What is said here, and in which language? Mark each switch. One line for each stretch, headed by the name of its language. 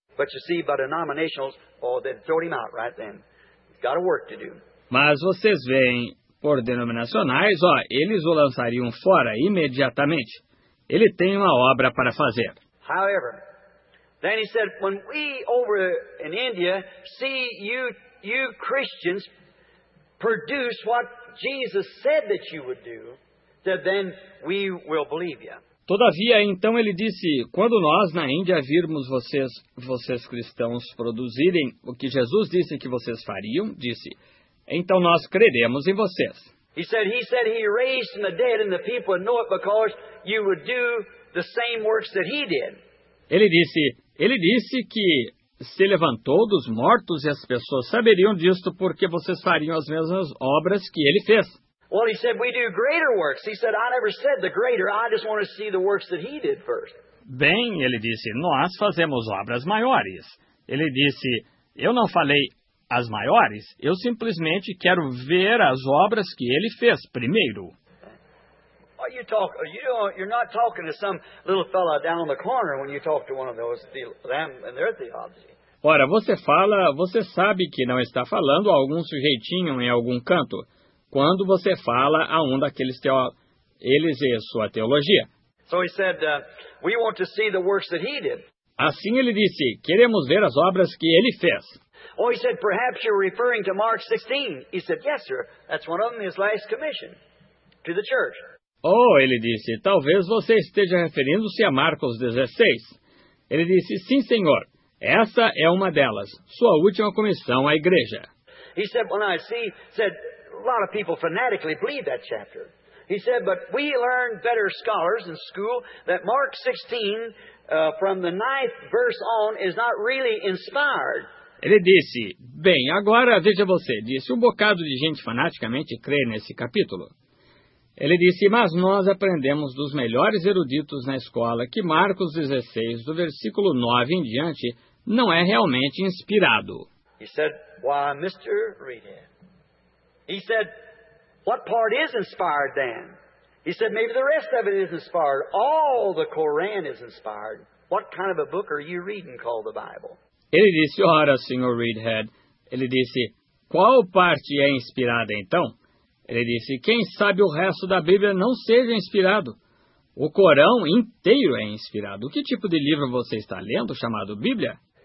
English: But you see, by the denominationals, oh, then throw him out right then. He's got a work to do.
Portuguese: Mas vocês veem, por denominacionais, ó, eles o lançariam fora imediatamente. Ele tem uma obra para fazer.
English: However, then he said, when we over in India see you Christians produce what Jesus said that you would do, then we will believe you.
Portuguese: Todavia, então ele disse, quando nós na Índia virmos vocês cristãos produzirem o que Jesus disse que vocês fariam, disse, então nós creremos em vocês.
English: He said he raised from the dead and the people know it because you would do the same works that he did.
Portuguese: Ele disse que se levantou dos mortos e as pessoas saberiam disto porque vocês fariam as mesmas obras que ele fez.
English: Well, he said, we do greater works. He said, I never said the greater. I just want to see the works that he did first.
Portuguese: Bem, ele disse, nós fazemos obras maiores. Ele disse, eu não falei as maiores. Eu simplesmente quero ver as obras que ele fez primeiro.
English: Are you talking? You're not talking to some little fella down the corner when you talk to one of those, them and their theology.
Portuguese: Ora, você sabe que não está falando a algum sujeitinho em algum canto. Quando você fala a um daqueles eles e sua teologia.
English: So he said, we want to see the works that he did.
Portuguese: Assim ele disse, queremos ver as obras que ele fez.
English: Oh, he said, perhaps you're referring to Mark 16. He said, yes, sir. That's one of them, his last commission to the church.
Portuguese: Oh, ele disse, talvez você esteja referindo-se a Marcos 16. Ele disse, sim, senhor. Essa é uma delas, sua última comissão à igreja.
English: He said, well, now, see, said, a lot of people fanatically believe that chapter. He said, but we learned better scholars in school that Mark 16, from the ninth verse on, is not really inspired.
Portuguese: Ele disse, bem, agora veja você, disse um bocado de gente fanaticamente crê nesse capítulo. Ele disse, mas nós aprendemos dos melhores eruditos na escola que Marcos 16, do versículo 9 em diante, não é realmente inspirado.
English: He said, why, Mr. Reedhead? He said, what part is inspired then? He said, maybe the rest of it is inspired. All the Koran is inspired. What kind of a book are you reading called the Bible?
Portuguese: Ele disse, ora, Sr. Reedhead, ele disse, qual parte é inspirada então? Ele disse, quem sabe o resto da Bíblia não seja inspirado. O Corão inteiro é inspirado. Que tipo de livro você está lendo, chamado Bíblia?